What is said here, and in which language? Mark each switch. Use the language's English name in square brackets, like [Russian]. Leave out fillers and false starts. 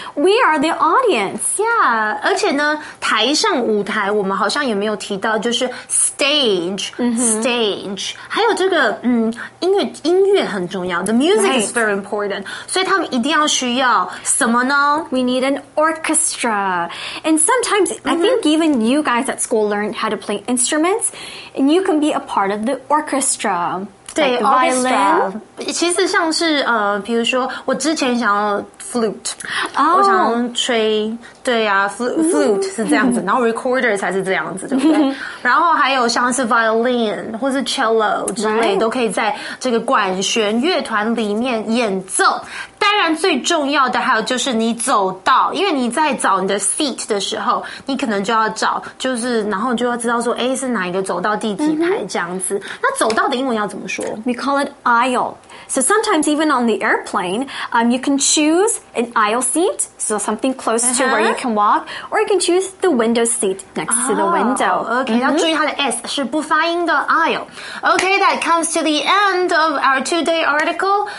[English] We are the audience. [Chinese] Yeah. 而且呢台上舞台我们好像也没有提到就是 stage,、stage. 还有这个音乐很重要。 [English] The music、is very important. [Chinese] 所以他们一定要需要什么呢？ [English] We need an orchestra. And sometimes,、I think even you guys at school learn how to play instruments, and you can be a part of the orchestra. [Chinese] Like、violin， 其实像是比如说我之前想要 flute，、我想要吹，对呀、flute 是这样子，然后 recorder 才是这样子，对不对？然后还有像是 violin 或是 cello 之类， right. 都可以在这个管弦乐团里面演奏。当然最重要的还有就是你走道，因为你在找你的 seat 的时候，你可能就要找，就是然后就要知道说，是哪一个走道第几排这样子。那走道的英文要怎么说？ [English] We call it aisle. So sometimes even on the airplane, you can choose an aisle seat, so something close、to where you can walk, or you can choose the window seat next to the window. [Chinese] Okay,、要注意它的 s 是不发音的 aisle. [English] Okay, that comes to the end of our two-day article.